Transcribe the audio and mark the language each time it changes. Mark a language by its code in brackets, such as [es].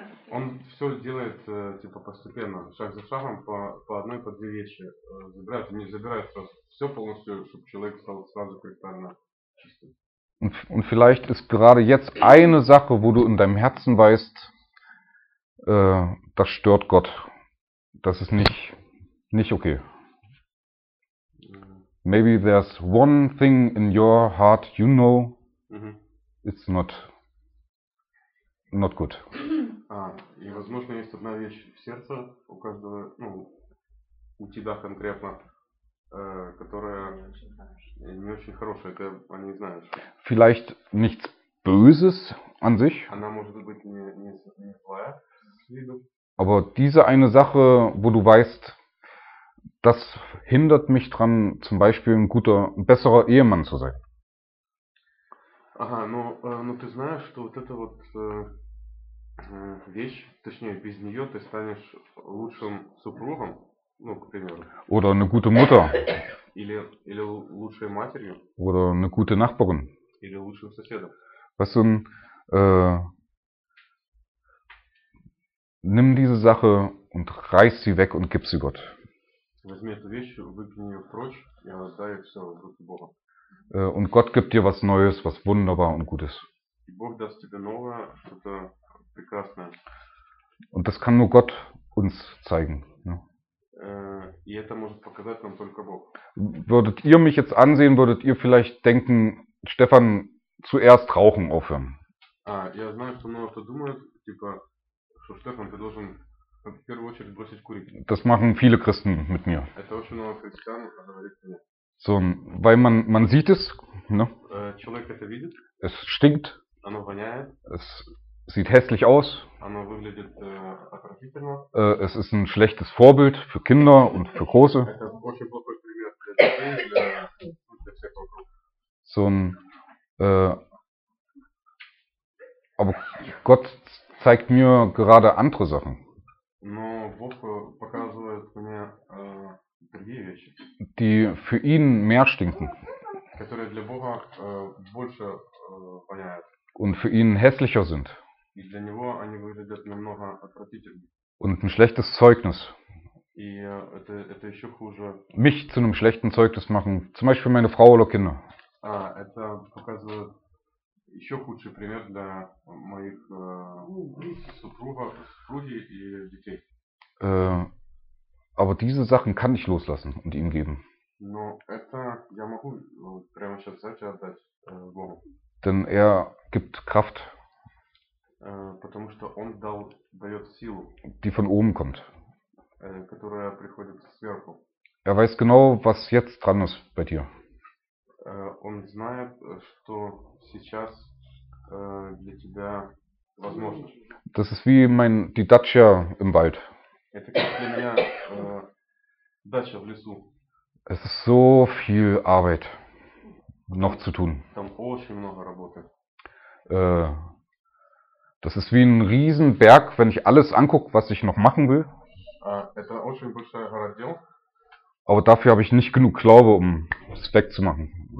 [ru] Он все делает типа постепенно, шаг за шагом, по одной, по две вещи забирает, не забирает все полностью, чтобы человек стал сразу кристально чистым. [de] Und vielleicht ist gerade jetzt eine Sache, wo du in deinem Herzen weißt, das stört Gott. Das ist nicht okay. [en] Maybe there's one thing in your heart you know, it's not good. [ru] И возможно есть одна вещь в сердце у каждого, ну, у тебя конкретно, которая не очень хорошая, ты о ней знаешь. [de] Vielleicht nichts Böses an sich. [ru] Она может быть не злая с виду. [de] Aber diese eine Sache, wo du weißt, das hindert mich dran, zum Beispiel ein guter, ein besserer Ehemann zu sein. [ru] Ага, но ты знаешь, что вот эта вот вещь, точнее, без нее ты станешь лучшим супругом, ну, к примеру. [de] Oder eine gute Mutter. [ru] Или лучшей матерью. [de] Oder eine gute Nachbarin. [ru] Или лучшим соседом. [de] Weißt du, nimm diese Sache und reiß sie weg und gib sie Gott. [ru] Возьми эту вещь, выкинь ее прочь, я отдаю все в руки Бога. [de] Und Gott gibt dir was Neues, was wunderbar und gut ist. [ru] И Бог даст тебе новое, что-то прекрасное. [de] Und das kann nur Gott uns zeigen. Ja. [ru] И это может показать нам только Бог. [de] Würdet ihr mich jetzt ansehen, würdet ihr vielleicht denken, Stefan, zuerst rauchen aufhören. [ru] Я знаю, что много кто думает, типа, что Стефан, ты должен в первую очередь бросить курить. [de] Das machen viele Christen mit mir. [ru] Это очень много христиан говорит мне. [de] So, weil man sieht es, ne? [ru] Человек это видит. [de] Es stinkt. [ru] Оно воняет. [de] Es sieht hässlich aus. [ru] Оно выглядит отвратительно. [de] Es ist ein schlechtes Vorbild für Kinder und für Große. [ru] Это очень плохой пример для детей, для всех вокруг. [de] So, aber Gott zeigt mir gerade andere Sachen. [ru] Но Бог показывает мне другие вещи. [de] Die für ihn mehr stinken. [ru] Которые для Бога больше воняют. [de] Und für ihn hässlicher sind. [ru] И для него они выглядят намного отвратительнее. [de] Und ein schlechtes Zeugnis. [ru] И это еще хуже. [de] Mich zu einem schlechten Zeugnis machen, zum Beispiel meine Frau oder Kinder. [ru] Это показывает еще худший пример для моих супруги и детей. [de] Aber diese Sachen kann ich loslassen und ihm geben. [ru] Но это я могу прямо сейчас взять и отдать Богу. [de] Denn er gibt Kraft. [ru] Потому что он дает силу. [de] Die von oben kommt. [ru] Которая приходит сверху. [de] Er weiß genau, was jetzt dran ist bei dir. [ru] Он знает, что сейчас для тебя возможно. [de] Das ist wie die Dacia im Wald. [ru] Это как для меня дача в лесу. [de] Es ist so viel Arbeit noch zu tun. [ru] Там очень много работы. [de] Das ist wie ein riesen Berg, wenn ich alles angucke, was ich noch machen will. [ru] Это очень большая гора дел. [de] Aber dafür habe ich nicht genug Glaube, um es wegzumachen.